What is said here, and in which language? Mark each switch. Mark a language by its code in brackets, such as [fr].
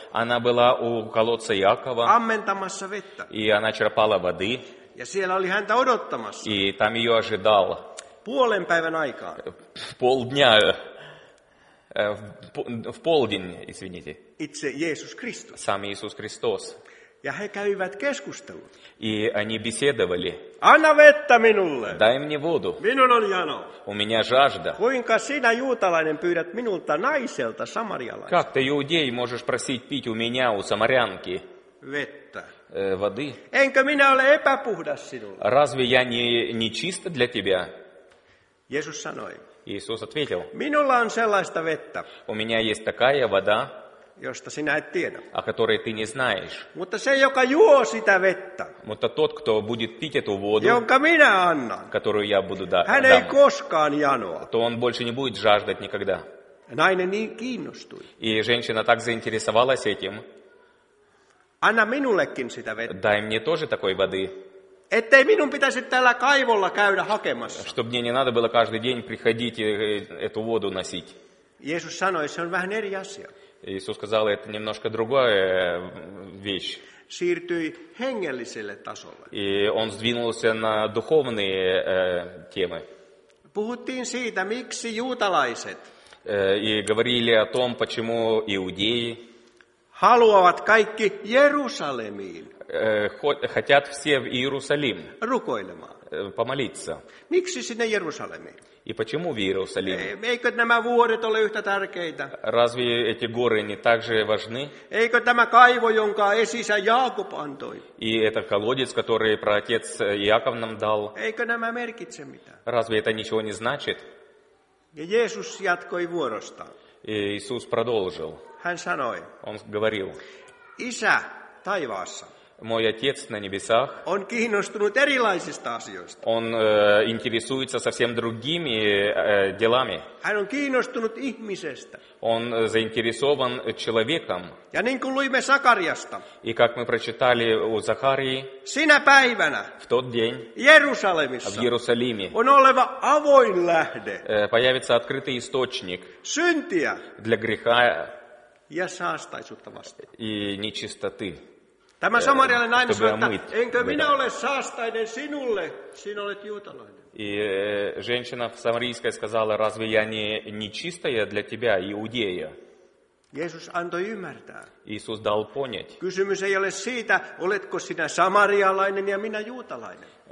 [ru] Она была у колодца Якова. [fi] Ammentamassa vettä. [ru] И она черпала воды. [fi] Ja siellä oli häntä odottamassa. [ru] И там ее ожидал. [fi] Puolen päivän aikaa. [ru] Полдня. В полдень, извините. [fi] Itse Jeesus Kristus. [ru] Сам Иисус Христос. [fi] Ja he käyvät keskustelut. [ru] И они беседовали. [fi] Anna vettä minulle. [ru] Дай мне воду. [fi] Minun on jano. [ru] У меня жажда. [fi] Kuinka sinä, juutalainen, pyydät minulta naiselta samarialaista? [ru] Как ты, иудей, можешь просить пить у меня, у самарянки? [fi] Vettä. [ru] Воды. [fi] Enkö minä ole epäpuhdas sinulle? [ru] Разве я не чисто для тебя? [fi] Jeesus sanoi. [ru] Иисус ответил. [fi] Minulla on sellaista vettä. [ru] У меня есть такая вода. [fi] Josta sinä et tiedä. [ru] О которой ты не знаешь. [fi] Mutta se, joka juo sitä vettä. [ru] Mutta тот, кто будет пить эту воду. [fi] Jonka minä annan. [ru] Которую я буду дать. [fi] Hän ei koskaan janoa. [ru] То он больше не будет жаждать никогда. [fi] Nainen niin kiinnostui. [ru] И женщина так заинтересовалась этим. [fi] Anna minullekin sitä vettä. [ru] Дай мне тоже такой воды. [fi] Ettei minun pitäisi täällä kaivolla käydä hakemassa. [ru] Чтобы мне не надо было каждый день приходить и эту воду носить. [fi] Jeesus sanoi, se on vähän eri asia. [ru] Иисус сказал, это немножко другая вещь. [fi] Siirtyi hengelliselle tasolle. [ru] И он сдвинулся на духовные темы. [fi] Puhuttiin siitä, miksi juutalaiset. [ru] И говорили о том, почему иудеи. [fi] Haluavat kaikki Jerusalemiin. [ru] Хотят все в Иерусалим. [fi] Rukoilemaan. [ru] Помолиться. [fi] Miksi sinne Jerusalemiin? [ru] И почему в Иерусалиме? [fi] Eikö nämä vuoret ole yhtä tärkeitä? [ru] Разве эти горы не так же важны? [fi] Eikö tämä kaivo, jonka esisä Jaakob antoi? [ru] И это колодец, который праотец Иаков нам дал. [fi] Eikö nämä merkitse mitään? [ru] Разве это ничего не значит? [fi] Ja Jeesus jatkoi vuorostaan. [ru] И Иисус продолжил. [fi] Hän sanoi. [ru] Он говорил. [fi] Isä taivaassa. [ru] Мой отец на небесах. [fi] Он kiinnostunut erilaisista asioista. [ru] Он интересуется совсем другими делами. [fi] Hän on kiinnostunut ihmisestä. [ru] Он заинтересован человеком. [fi] Ja niin kuin luimme Sakariasta. [ru] И как мы прочитали у Захарии. [fi] Sinä päivänä. [ru] В тот день. [fi] Иерусалимиса. [ru] В Иерусалиме. [fi] On oleva avoin lähde. [ru] Появится открытый источник. [fi] Syntiä. [ru] Для греха. [fi] Ja saastaisuutta vastaan. [ru] И нечистоты. [fi] Tämä samarialainen nainen sanoi, että enkö minä ole saastainen sinulle, sinä olet juutalainen. [ru] И женщина самарийская сказала, разве я не чистая для тебя, иудея? [fi] Jeesus antoi ymmärtää. [ru] Иисус дал понять. [fi] Kysymys ei ole siitä, oletko sinä samarialainen ja minä juutalainen.